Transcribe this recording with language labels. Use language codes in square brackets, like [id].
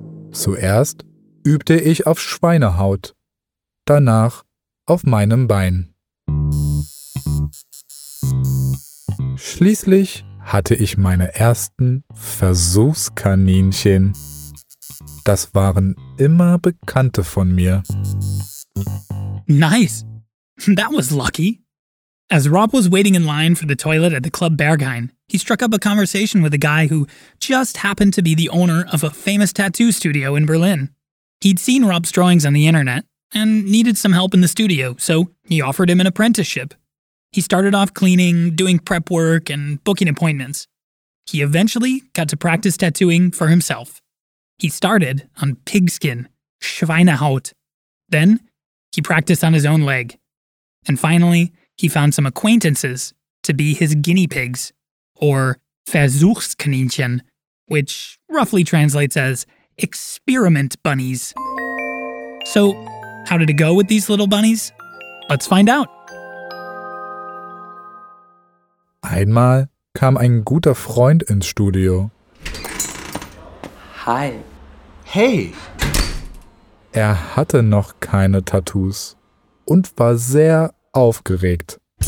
[de] Zuerst übte ich auf Schweinehaut, danach auf meinem Bein. Schließlich hatte ich meine ersten Versuchskaninchen. Das waren immer Bekannte von mir. [en] Nice! That was lucky! As Rob was waiting in line for the toilet at the Club Berghain, he struck up a conversation with a guy who just happened to be the owner of a famous tattoo studio in Berlin. He'd seen Rob's drawings on the internet and needed some help in the studio, so he offered him an apprenticeship. He started off cleaning, doing prep work, and booking appointments. He eventually got to practice tattooing for himself. He started on pigskin, Schweinehaut. Then, he practiced on his own leg. And finally, he found some acquaintances to be his guinea pigs, or Versuchskaninchen, which roughly translates as experiment bunnies. So, how did it go with these little bunnies? Let's find out. [de] Einmal kam ein guter Freund ins Studio. Hi. Hey. Er hatte noch keine Tattoos und war sehr aufgeregt.